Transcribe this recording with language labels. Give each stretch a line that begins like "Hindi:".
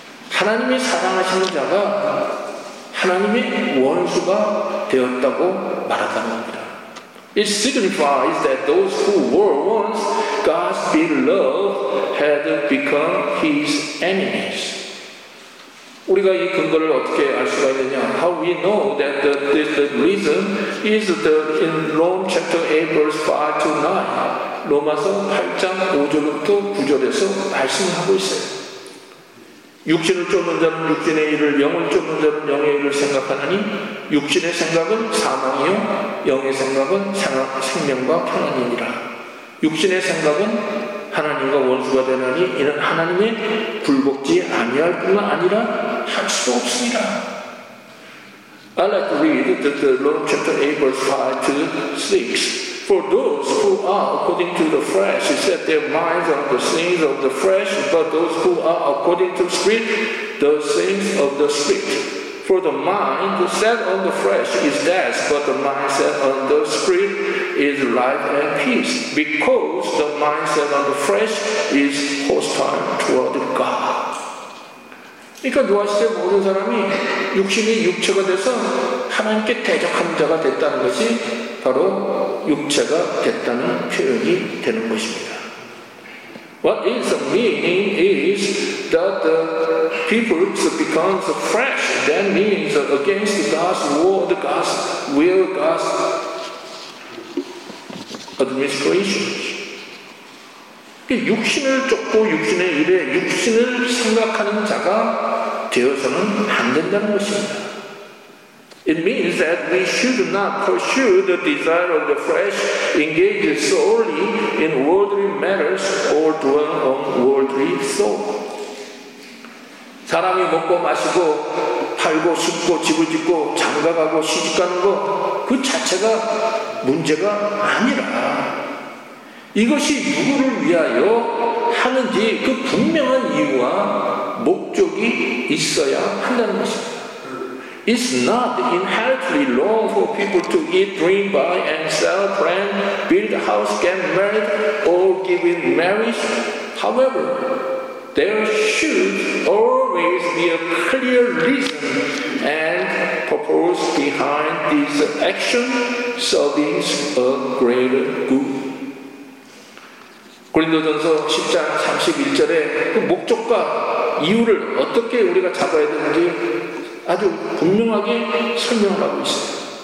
Korean: 하나님이 사랑하시는 자가 하나님의 원수가 되었다고 말한다는 겁니다.
English: It signifies that those who were once God's beloved had become His enemies.
Korean: 우리가 이 근거를 어떻게 알 수가 있느냐?
English: How we know that the reason is in Romans chapter 8 verse 5 to 9.
Korean: 로마서 8장 5절부터 9절에서 말씀하고 있어요. 육신을 쫓는 자는 육신의 일을, 영을 쫓는 자는 영의 일을 생각하나니 육신의 생각은 사망이요 영의 생각은 생명과 평안이니라. 육신의 생각은 하나님과 원수가 되나니 이는 하나님의 굴복지 아니할 뿐만 아니라 할 수 없습니다.
English: I like to read the Romans chapter 8 verse 5 to 6. For those who are according to the flesh set their minds on the things of the flesh, but those who are according to spirit, the things of the spirit. For the mind set on the flesh is death, but the mind set on the spirit is life and peace. Because the mind set on the flesh is hostile toward God.
Korean: 그러니까 노아 시대 모든 사람이 육신이 육체가 돼서 하나님께 대적하는 자가 됐다는 것이 바로 육체가 됐다는 표현이 되는 것입니다.
English: What is the meaning is that the people who becomes flesh then means against God's word, God's will, God's administration.
Korean: 육신을 쫓고 육신의 일에 육신을 생각하는 자가 되어서는 안 된다는 것입니다.
English: It means that we should not pursue the desire of the flesh, engage solely in worldly matters, or dwell on worldly thoughts.
Korean: 사람이 먹고 마시고 팔고 숨고 집을 짓고 장가가고 시집가는 것 그 자체가 문제가 아니라 이것이 누구를 위하여 하는지 그 분명한 이유와 목적이 있어야 한다는 것입니다.
English: It's not inherently wrong for people to eat, drink, buy, and sell, plan, build a house, get married, or give in marriage. However, there should always be a clear reason and purpose behind this action, serving a greater good.
Korean: 고린도전서 10장 31절에 그 목적과 이유를 어떻게 우리가 잡아야 되는지 아주 분명하게 설명하고 있어요.